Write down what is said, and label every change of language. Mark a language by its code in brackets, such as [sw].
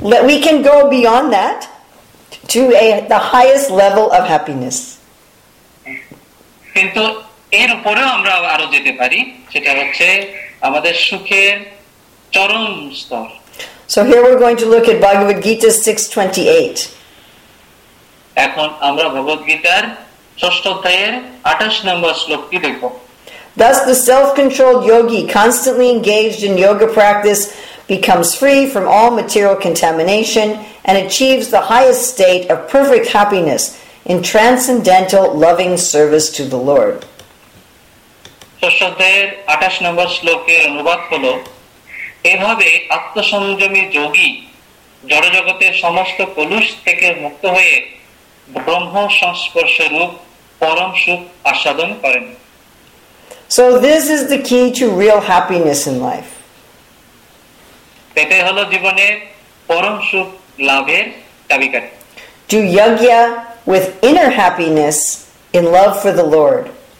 [en] We can go beyond that to the highest level of happiness. [bn] কিন্তু এর উপরেও আমরা আরো যেতে পারি, সেটা হচ্ছে আমাদের সুখের চরম স্তর। [en] So here we're going to look at Bhagavad Gita 6:28. [bn] এখন আমরা ভগবদ গীতার ষষ্ঠ অধ্যায়ের 28 নম্বর শ্লোকটি দেখব। [en] Thus the self-controlled yogi constantly engaged in yoga practice becomes free from all material contamination and achieves the highest state of perfect happiness in transcendental loving service to the Lord. [bn] ষষ্ঠ অধ্যায়ের 28 নম্বর শ্লোকের অনুবাদ হলো, এভাবে আত্মসংযমী যোগী জড়জগতের সমস্ত কলুষ থেকে মুক্ত হয়ে ব্রহ্ম সংস্পর্শ রূপ পরম সুখ আস্বাদন করেন। [en] So this is the key to real happiness in life. [bn] এটাই হলো জীবনের পরম সুখ লাভের চাবিকাঠি। [en] Do yajna with inner happiness in love for the Lord.